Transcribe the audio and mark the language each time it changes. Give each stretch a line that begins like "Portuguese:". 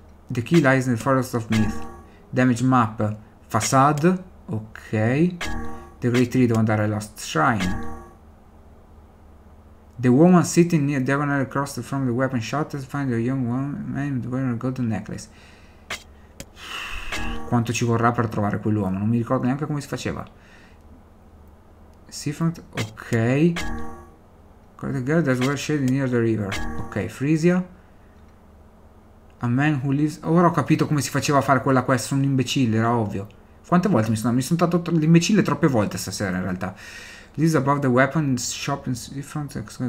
English: The key lies in the Forest of Myth. Damage map. Facade, ok. The Great Tree,
Italian: devo andare a
English: Lost Shrine. The woman sitting near Devonair across from the weapon shattered find a young woman wearing a golden necklace.
Italian: Quanto ci vorrà per trovare quell'uomo? Non mi ricordo neanche come si faceva. Sifant, ok.
English: The girl that's well shaded near the river. Ok, Frisia. A man who lives.
Italian: Ora ho capito come si faceva a fare quella quest. Sono un imbecille, era ovvio. Quante volte mi sono dato l'imbecille troppe volte stasera in realtà.
English: This is above the weapons shop in Sifant.